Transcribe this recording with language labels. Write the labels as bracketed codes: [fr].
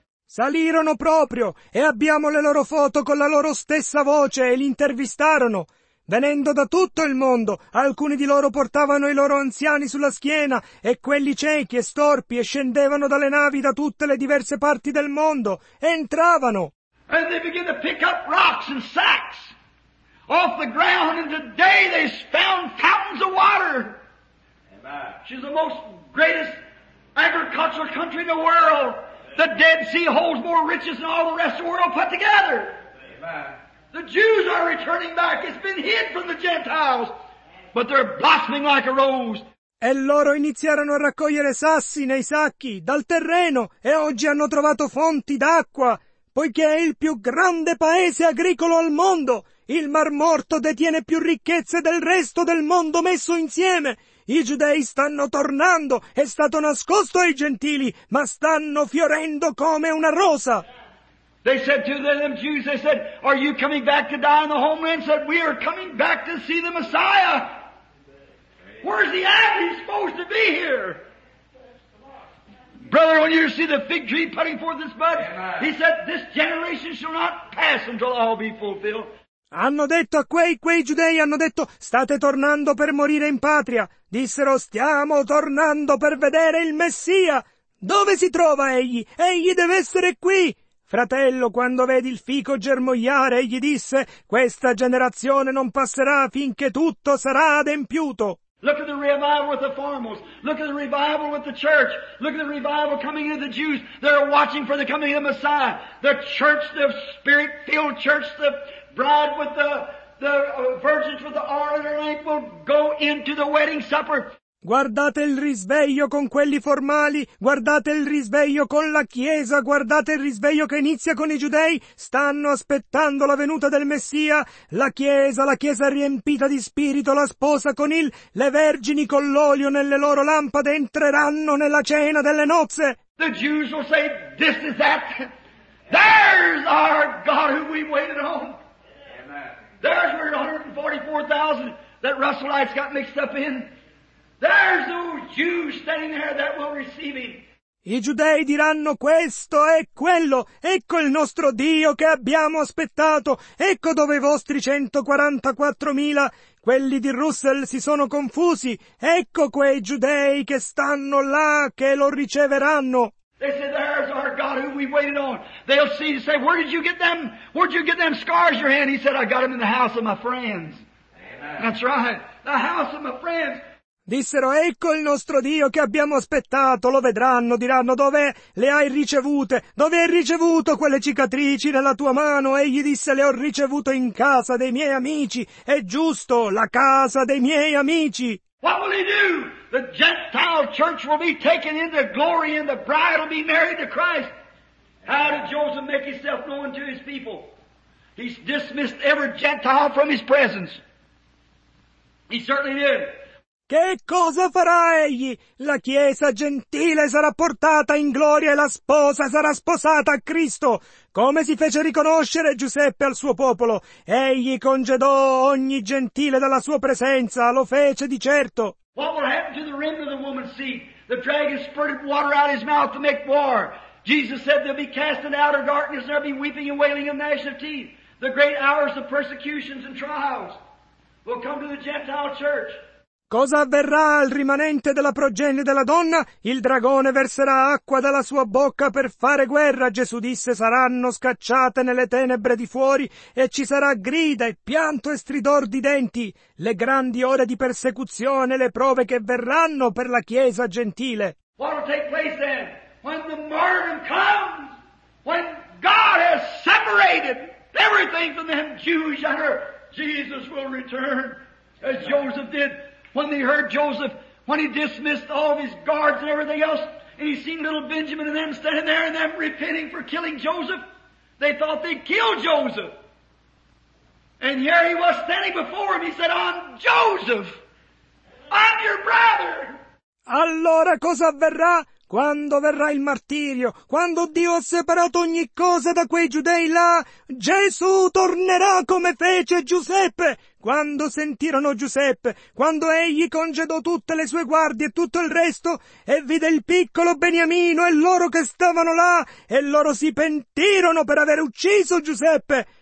[it] Salirono proprio e abbiamo le loro foto con la loro stessa voce e li intervistarono. Venendo da tutto il mondo, alcuni di loro portavano i loro anziani sulla schiena e quelli ciechi e storpi e scendevano dalle navi da tutte le diverse parti del mondo. E entravano. [en] And they began to pick up rocks and sacks off the ground, and today they found fountains of water. Amen. She's the most greatest agricultural country in the world. Amen. The Dead Sea holds more riches than all the rest of the world put together. Amen. The Jews are returning back. It's been hid from the Gentiles, but they're blossoming like a rose. [it] E loro iniziarono a raccogliere sassi nei sacchi dal terreno, e oggi hanno trovato fonti d'acqua, poiché è il più grande paese agricolo al mondo. Il Mar Morto detiene più ricchezze del resto del mondo messo insieme. I giudei stanno tornando, è stato nascosto ai gentili, ma stanno fiorendo come una rosa. [en] They said to them Jews, they said, are you coming back to die in the homeland? Said, we are coming back to see the Messiah. Where's he at? He's supposed to be here. Brother, when you see the fig tree putting forth its bud, he said, this generation shall not pass until all be fulfilled. [it] Hanno detto a quei giudei, hanno detto, state tornando per morire in patria. Dissero, stiamo tornando per vedere il Messia. Dove si trova egli? Egli deve essere qui. Fratello, quando vedi il fico germogliare, egli disse, questa generazione non passerà finché tutto sarà adempiuto. [en] Look at the revival with the farmers. Look at the revival with the church. Look at the revival coming into the Jews. They're watching for the coming of the Messiah. The church, the spirit-filled church, the bride with the virgins with the oil in her lamp will go into the wedding supper. [it] Guardate il risveglio con quelli formali, guardate il risveglio con la Chiesa, guardate il risveglio che inizia con i giudei, stanno aspettando la venuta del Messia, la Chiesa riempita di spirito, la sposa con il, le vergini con l'olio nelle loro lampade entreranno nella cena delle nozze. [en] The Jews will say, this is that. There's our God who we waited on. Amen. There's where 144,000 that Russellites got mixed up in. There's no Jew standing there that will receive him. [it] I giudei diranno questo è quello, ecco il nostro Dio che abbiamo aspettato, ecco dove i vostri 144,000, quelli di Russell si sono confusi, ecco quei giudei che stanno là che lo riceveranno. [en] They say, there's our God who we waited on. They'll see and say, where did you get them? Where did you get them scars your hand? He said, I got them in the house of my friends. Amen. That's right, the house of my friends. [it] Dissero, ecco il nostro Dio che abbiamo aspettato, lo vedranno, diranno, dove le hai ricevute? Dove hai ricevuto quelle cicatrici nella tua mano? Egli disse, le ho ricevute in casa dei miei amici. È giusto, la casa dei miei amici. [en] What will he do? The Gentile church will be taken into glory and the bride will be married to Christ. How did Joseph make himself known to his people? He dismissed every Gentile from his presence. He certainly did. [it] Che cosa farà egli? La chiesa gentile sarà portata in gloria e la sposa sarà sposata a Cristo. Come si fece riconoscere Giuseppe al suo popolo? Egli congedò ogni gentile dalla sua presenza, lo fece di certo. [en] What will happen to the remnant of the woman's seed? The dragon spurted water out of his mouth to make war. Jesus said they'll be cast in outer darkness, there'll be weeping and wailing and gnashing of teeth. The great hours of persecutions and trials will come to the Gentile church. [it] Cosa avverrà al rimanente della progenie della donna? Il dragone verserà acqua dalla sua bocca per fare guerra. Gesù disse, saranno scacciate nelle tenebre di fuori e ci sarà grida e pianto e stridor di denti. Le grandi ore di persecuzione, le prove che verranno per la Chiesa gentile. [en] What will take place then? When the martyrdom comes, when God has separated everything from them Jews and her, Jesus will return as Joseph did. When they heard Joseph, when he dismissed all of his guards and everything else, and he seen little Benjamin and them standing there and them repenting for killing Joseph, they thought they'd kill Joseph. And here he was standing before him. He said, I'm Joseph. I'm your brother. [it] Allora cosa avverrà? Quando verrà il martirio, quando Dio ha separato ogni cosa da quei giudei là, Gesù tornerà come fece Giuseppe. Quando sentirono Giuseppe, quando egli congedò tutte le sue guardie e tutto il resto, e vide il piccolo Beniamino e loro che stavano là, e loro si pentirono per aver ucciso Giuseppe.